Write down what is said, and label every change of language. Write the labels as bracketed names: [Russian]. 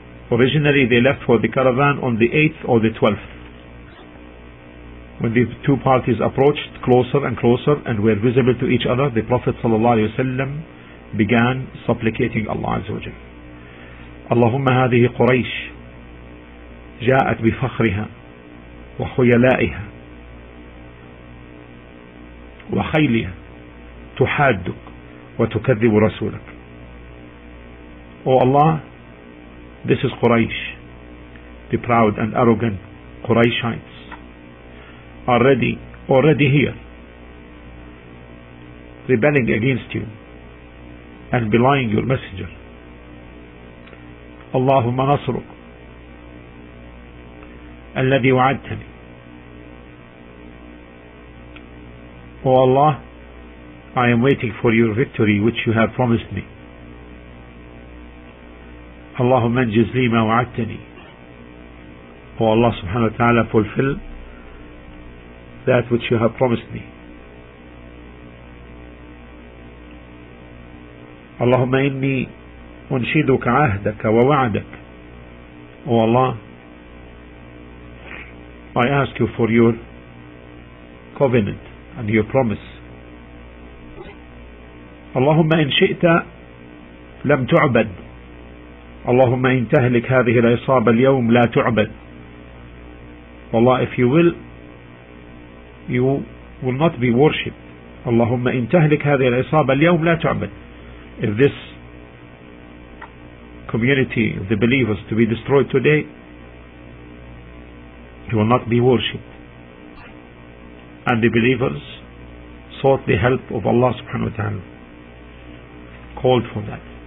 [English] Originally they left for the caravan on the 8th or the 12th. When the two parties approached closer and closer and were visible to each other, the Prophet ﷺ began supplicating Allah Azza wa Jal. [Arabic] اللهم هذه قريش جاءت بفخرها وخيلائها وخيلها تحادك وتكذب رسولك. [English] Oh Allah, this is Quraysh, the proud and arrogant Qurayshites, already here, rebelling against you and belying your messenger. [Arabic] اللهم نصرك الذي وعدتني. [English] O Allah, I am waiting for your victory which you have promised me. [Arabic] اللهم انجز لي ما وعدتني. [English] O Allah subhanahu wa ta'ala, fulfill that which you have promised me. [Arabic] اللهم اني انشدك عهدك ووعدك. [English] O Allah, I ask you for your covenant and your promise. [Arabic] اللهم إن شئت لم تعبد. اللهم إن تهلك هذه العصابة اليوم لا تعبد. [English] والله, if you will, you will not be worshipped. [Arabic] اللهم إن تهلك هذه العصابة اليوم لا تعبد. [English] If this community, the believers, to be destroyed today, you will not be worshipped. And the believers sought the help of Allah subhanahu wa ta'ala, called for that.